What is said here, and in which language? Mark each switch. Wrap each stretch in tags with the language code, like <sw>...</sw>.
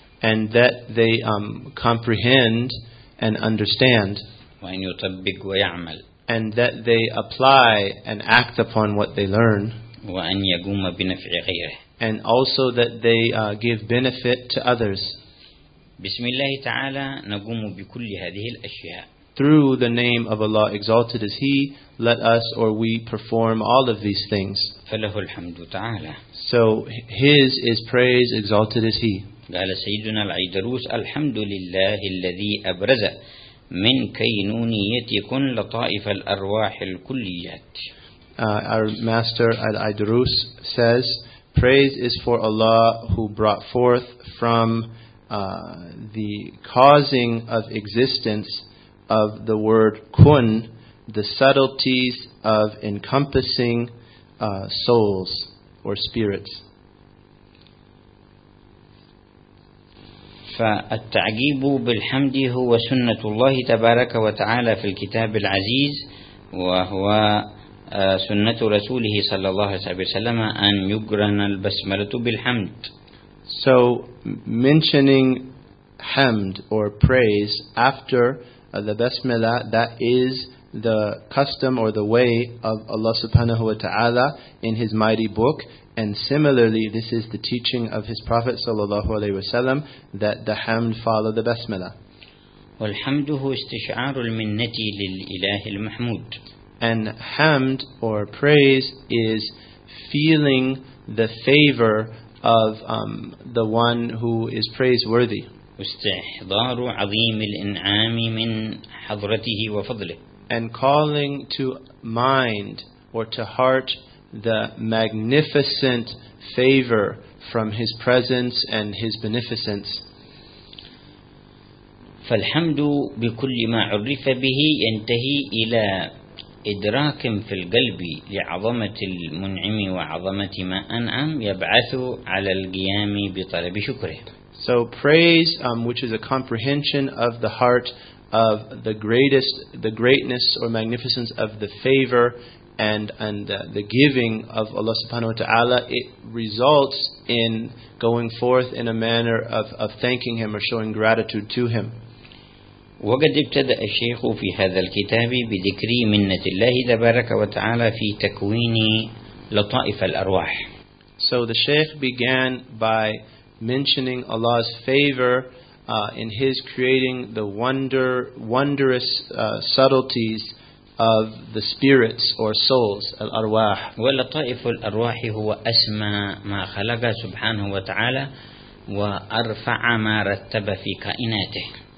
<en>And that they comprehend and understand.</en> <ar>وَأَنْ يُطَبِّقْ وَيَعْمَلْ.</ar> <en>And that they apply and act upon what they learn.</en> <ar>وَأَنْ يَقُومَ بِنَفْعِ غَيْرِهِ.</ar> <en>And also that they give benefit to others.</en> <ar>بسم الله تعالى نقوم بكل هذه الأشياء.</ar> <en>Through the name of Allah, exalted is He, let us or we perform all of these things.</en> <ar>فله الحمد تعالى.</ar> <en>So His is praise, exalted is He.</en> <ar>قال سيدنا العيدروس الحمد لله الذي أبرز من كينونيتكن لطائف الأرواح الكليات.</ar> <en>Our master Al-Aidarus says, praise is for Allah who brought forth from the causing of existence of the word kun, the subtleties of encompassing souls or spirits.</en> <ar>فالتعجيب بالحمد هو سنة الله تبارك وتعالى في الكتاب العزيز وهو سنة رسوله صلى الله عليه وسلم أن يقرن البسملة بالحمد.</ar> <en>So mentioning hamd or praise after the basmala, that is the custom or the way of Allah subhanahu wa ta'ala in His mighty book. And similarly, this is the teaching of His Prophet sallallahu alayhi wa sallam, that the hamd follow the basmala.</en> <ar>والحمد هو استشعار المنة للإله المحمود.</ar> <en>And hamd or praise is feeling the favor of the one who is praiseworthy.</en> <ar>واستحضار عظيم الإنعام من حضرته وفضله.</ar> <en>And calling to mind or to heart the magnificent favor from His presence and His beneficence.</en> <ar>فالحمد بكل ما عرف به ينتهي إلى إدراك في القلب لعظمة المنعم وعظمة ما أنعم يبعث على القيام بطلب شكره.</ar> <en>So praise, which is a comprehension of the heart of the greatest, the greatness or magnificence of the favor and the giving of Allah subhanahu wa ta'ala, it results in going forth in a manner of thanking Him or showing gratitude to Him.</en> <ar>وقد ابتدأ الشيخ في هذا الكتاب بذكر منة الله تبارك وتعالى في تكوين لطائف الأرواح.</ar> <en>So the Shaykh began by mentioning Allah's favor in his creating the wondrous subtleties of the spirits or souls, al-arwah.</en> <ar>ولطائف الأرواح هو أسمى ما خلق سبحانه وتعالى وأرفع ما رتب في كائناته.</ar>